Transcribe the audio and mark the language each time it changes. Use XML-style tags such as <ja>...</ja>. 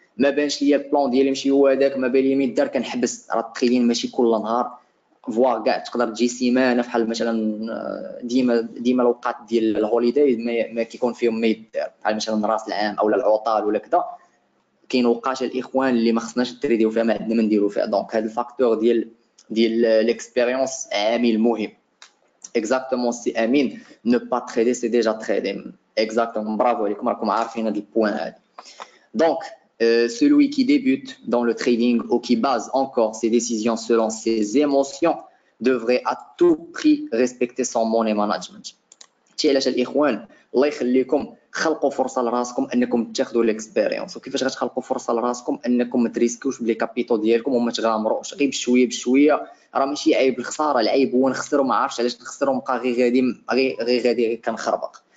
<ar>ما بانش ليا البلان ديالي ماشي هو هذاك، ما بان ليا ما يدار كنحبس، راه التخيلين ماشي كل نهار فوار كاع، تقدر تجي سيمانه بحال مثلا ديما الاوقات ديال الهوليداي ما كيكون فيهم ما يدار، بحال مثلا راس العام او العطال ولا كذا، كاين وقاش الاخوان اللي ما خصناش نتريديو فيها ما عندنا ما نديرو فيها. دونك هذا الفاكتور ديال ليكسبيريونس عامل مهم. اكزاكتومون سي امين، نو با تريدي سي ديجا تريدي، اكزاكتومون برافو عليكم، راكم عارفين هذا البوان هذا.</ar> <fr>دونك celui qui débute dans le trading ou qui base encore ses décisions selon ses émotions devrait à tout prix respecter son money management.</fr> <ar>تي علاش الاخوان الله يخليكم خلقوا فرصه لراسكم انكم تاخذوا الاكسبيريونس، وكيفاش غتخلقوا فرصه لراسكم انكم ما تريسكوش بلي كابيتو ديالكم وما تغامروش غير بشويه بشويه، راه ماشي عيب الخساره، العيب هو نخسر وما عارفش علاش نخسر ونبقى غير غادي كنخربق.</ar>